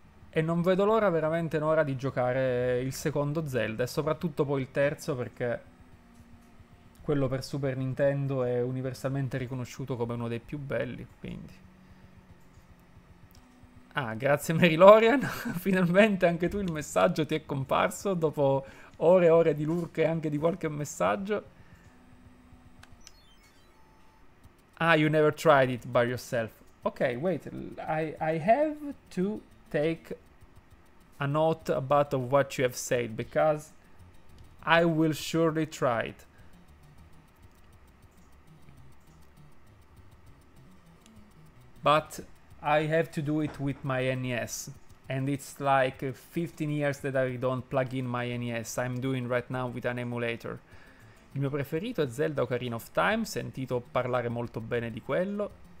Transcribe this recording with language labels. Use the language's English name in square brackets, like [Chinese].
[Italian] E non vedo l'ora, veramente Nora, di giocare il secondo Zelda e soprattutto poi il terzo, perché quello per Super Nintendo è universalmente riconosciuto come uno dei più belli, quindi... Ah, grazie Mary Lorian, finalmente anche tu il messaggio ti è comparso dopo ore e ore di lurk e anche di qualche messaggio. [English] Ah, you never tried it by yourself. Ok, wait, I have to take a note about of what you have said, because I will surely try it. But... I have to do it with my NES, and it's like 15 years that I don't plug in my NES. I'm doing right now with an emulator. [Italian] Il mio preferito è Zelda Ocarina of Time, sentito parlare molto bene di quello.